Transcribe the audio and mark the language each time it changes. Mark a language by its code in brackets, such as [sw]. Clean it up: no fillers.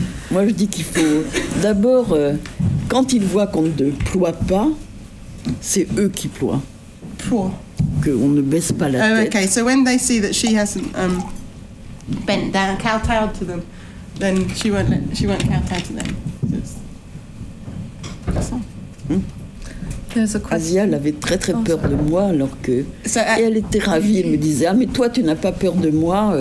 [fr] Moi, je dis qu'il faut d'abord, quand ils voient qu'on ne ploie pas, c'est eux qui ploient. Ploie. Qu'on ne baisse pas la tête. [en] Oh, okay. So when they see that she hasn't bent down, kowtowed to them, then she won't kowtow to them. [fr] Asia, elle avait très très peur de moi, alors que et elle était ravie. Elle me disait, ah mais toi tu n'as pas peur de moi.